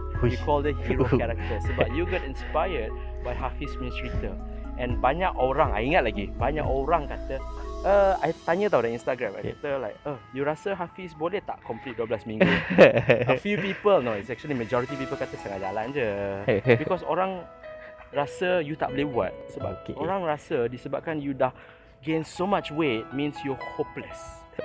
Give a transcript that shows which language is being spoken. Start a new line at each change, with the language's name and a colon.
English: We call the hero character
Malay: sebab
English: you get inspired by Hafiz
Malay: punya cerita. And banyak orang, I ingat lagi, banyak orang kata, I tanya tau dalam Instagram, I kata like, you rasa Hafiz boleh tak complete 12 minggu?
English: A few people, no, it's actually majority people
Malay: kata setengah jalan je.
English: Because
Malay: orang rasa you tak boleh buat. Sebab okay, orang rasa disebabkan you dah
English: gain so much weight,
Malay: means you
English: hopeless.